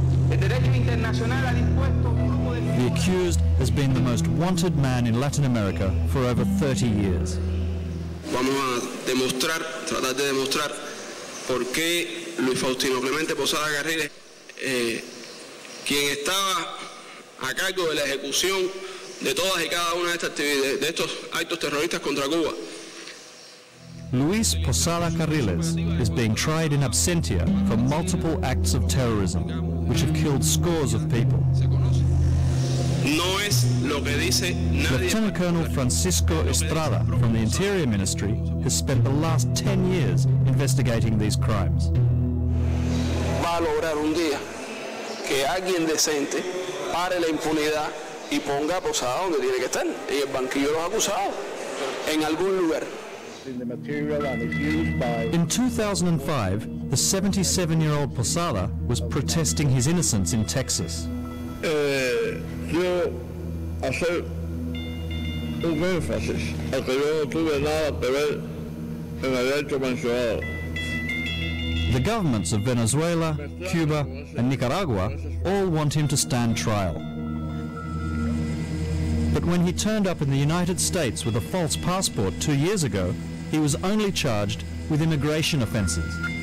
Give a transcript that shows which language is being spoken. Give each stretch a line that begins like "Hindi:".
Spanish: El derecho internacional ha dispuesto un grupo de...
English: The accused has been the most wanted man in Latin America for over 30 years.
Spanish: Vamos a demostrar, tratar de demostrar por qué Luis Faustino Clemente Posada Garriga, quien estaba a cargo de la ejecución de todas y cada una de estas actividades, de estos actos terroristas contra Cuba.
English: Luis Posada Carriles is being tried in absentia for multiple acts of terrorism, which have killed scores of people.
Spanish: No es lo que dice nadie.
English: Lieutenant Colonel Francisco Estrada from the Interior Ministry has spent the last 10 years investigating these crimes.
Spanish: Va a lograr un día que alguien decente pare la impunidad y ponga a Posada donde tiene que estar, en el banquillo de los acusados, en algún lugar.
English: In 2005, the 77-year-old Posada was protesting his innocence in Texas.
Spanish: Yo hace un énfasis a que yo no tuve nada que ver en el hecho mencionado.
English: The governments of Venezuela, Cuba, and Nicaragua all want him to stand trial. But when he turned up in the United States with a false passport 2 years ago, he was only charged with immigration offenses.